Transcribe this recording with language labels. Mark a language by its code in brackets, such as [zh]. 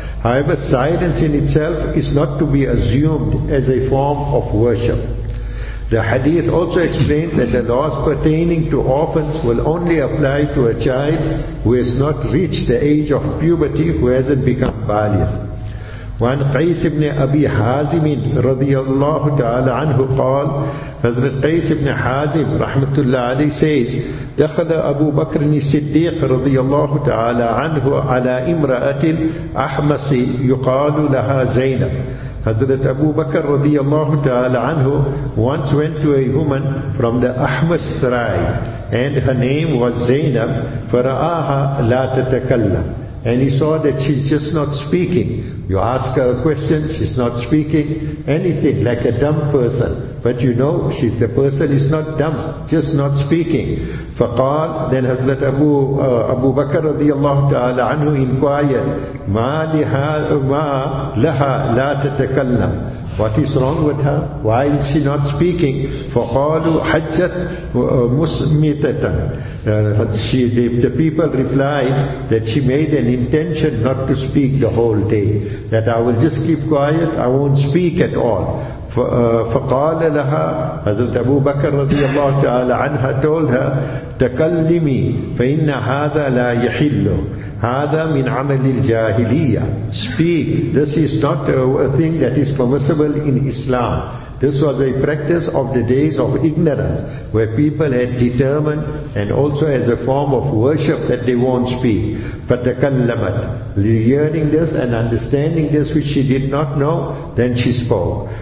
[en] However, silence in itself is not to be assumed as a form of worship. The hadith also explains that the laws pertaining to orphans will only apply to a child who has not reached the age of puberty, who hasn't become baligh. [ar] وعن قيس بن أبي حازم رضي الله تعالى عنه قال حضرت قيس بن حازم رحمة الله عليه [en] says [ar] دخل أبو بكر الصديق رضي الله تعالى عنه على امرأة أحمس يقال لها زينب. [en] Hazrat Abu Bakr radiyallahu ta'ala anhu once went to a woman from the Ahmas Rai, and her name was Zainab, [ar] fara'aha la tatakallam. [en] And he saw that she's just not speaking. You ask her a question, she's not speaking anything, like a dumb person. But you know, the person is not dumb, just not speaking. [ar] فقال, [en] then Hazrat Abu Bakr radiyallahu ta'ala anhu inquired, [ar] مَا لِهَا مَا لَهَا لَا تَتَكَلَّمْ. [en] What is wrong with her? Why is she not speaking? [ar] فَقَالُوا حَجَّتْ مُسْمِتَةً. [en] The people replied that she made an intention not to speak the whole day, that I will just keep quiet, I won't speak at all. [ar] فَقَالَ لَهَا, Hazrat Abu Bakr رضي الله تعالى عنها [en] told her, [ar] تَكَلِّمِي فَإِنَّ هَذَا لَا يَحِلُّ. هَذَا مِنْ عَمَلِ الْجَاهِلِيَّةِ. [en] Speak. This is not a thing that is permissible in Islam. This was a practice of the days of ignorance, where people had determined, and also as a form of worship, that they won't speak. [ar] فَتَكَلَّمَتْ. [en] Learning this and understanding this, which she did not know, then she spoke.